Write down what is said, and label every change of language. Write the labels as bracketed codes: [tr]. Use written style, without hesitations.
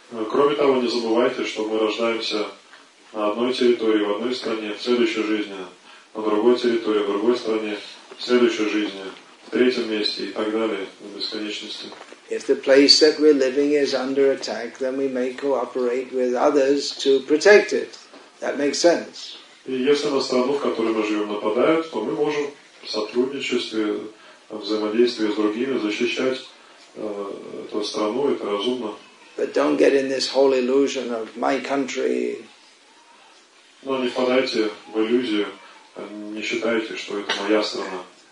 [ru] Кроме того, не забывайте, что мы рождаемся на одной территории, в одной стране, в следующей жизни, на другой территории, в другой стране, в следующей жизни, в третьем месте и так далее, в бесконечности. [en] If the place that we're living is under attack, then we may cooperate with others to protect it. That makes sense. [ru] И если на страну, в которой мы живем, нападают, то мы можем в сотрудничестве, взаимодействии с другими защищать эту страну, это разумно. [en] But don't get in this whole illusion of my country. [ru] Но не впадайте в иллюзию, не считайте, что это моя страна.